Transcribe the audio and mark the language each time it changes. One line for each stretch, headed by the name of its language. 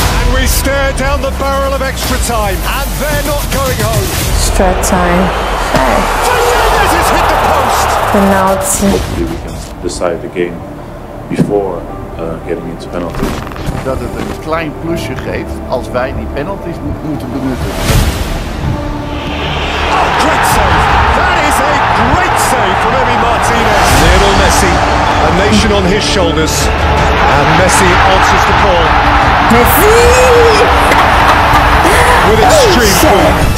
English: And we stare down the barrel of extra time. And they're not going home. Third time. Penalty. Hopefully we can decide the game before getting into penalty.
Dutch: Dat het een klein plusje geeft als wij die penalties moeten benutten.
English: Oh, great save! That is a great save from Emi Martinez. Lionel Messi, a nation on his shoulders. And Messi answers the call. Messi! With extreme speed.